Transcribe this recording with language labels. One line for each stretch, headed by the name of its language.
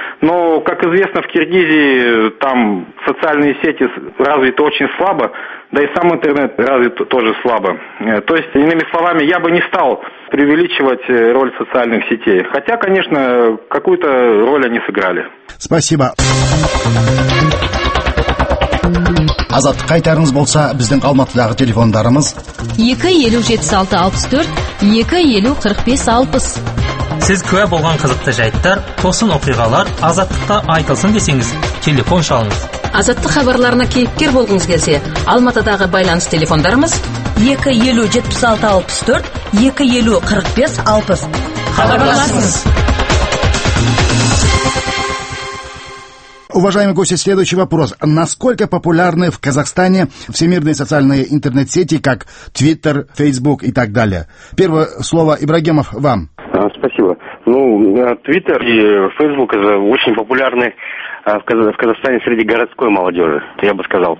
Russian: Но, как известно, в Киргизии там социальные сети развиты очень слабо, да и сам интернет развит тоже слабо. То есть, иными словами, я бы не стал преувеличивать роль социальных сетей. Хотя, конечно, какую-то роль они сыграли. Спасибо.
Kazakh: Азат, қайтарыңыз болса, біздің Алматыдағы телефондарымыз 257664 250456. Сіз көп болған қызықты жайттар, тосын оқиғалар Азаттықта айтылсын десеңіз, телефон шалыңыз. Азаттық хабарларына кейіпкер болғыңыз келсе, Алматыдағы байланыс телефондарымыз 257664 250456. Хабарласыңыз.
Russian: Уважаемые гости, следующий вопрос. Насколько популярны в Казахстане всемирные социальные интернет-сети, как Twitter, Facebook и так далее? Первое слово, Ибрагимов, вам. Спасибо. Ну, Twitter и Facebook это очень популярны в Казахстане среди городской молодежи, я бы сказал.